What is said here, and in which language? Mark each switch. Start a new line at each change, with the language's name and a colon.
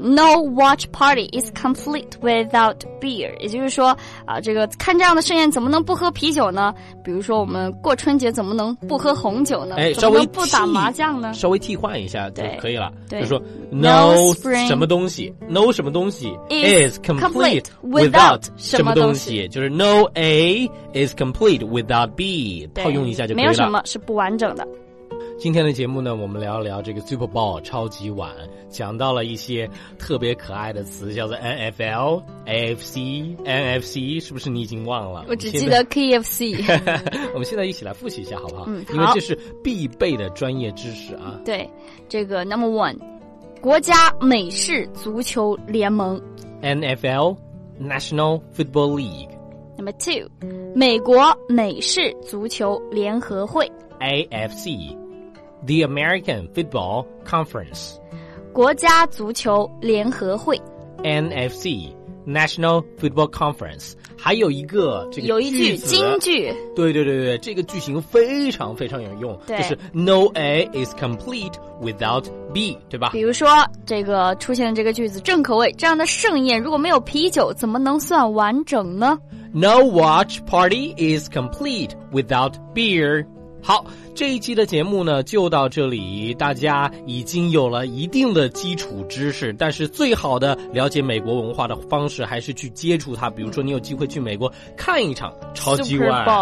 English: No watch party is complete without beer，
Chinese: 也就是说啊，这个看这样的盛宴怎么能不喝啤酒呢？比如说我们过春节怎么能不喝红酒呢？哎，稍微不打麻将呢？稍微替换一下就可以了。对，就说 no 什么东西 ，no 什么东西
English: is complete without
Chinese: 什么东西，就是
English: no A is complete without B，
Chinese: 套用一下就可以了。没有什么是不完整的。今天的节目呢，我们聊聊这个 Super Bowl 超级碗，讲到了一些特别可爱的词，叫做 NFL、AFC、NFC， 是不是你已经忘了？我只记得 KFC。我们现在一起来复习一下好不好？嗯，好，因为这是必备的专业知识啊。对，这个 Number One， 国家美式足球联盟
English: NFL National Football League。
Chinese: Number Two， 美国美式足球联合会
English: AFC。 The American Football Conference，
Chinese: 国家足球联合会
English: NFC National Football Conference，
Chinese: 还有一个这个有一句金句，对对对对，这个句型非常非常有用，对，就是
English: No A is complete without B，
Chinese: 对吧？比如说这个出现的这个句子正可谓，这样的盛宴如果没有啤酒怎么能算完整呢？
English: No watch party is complete without beer。
Chinese: 好，这一期的节目呢就到这里，大家已经有了一定的基础知识，但是最好的了解美国文化的方式还是去接触它，比如说你有机会去美国看一场超级碗，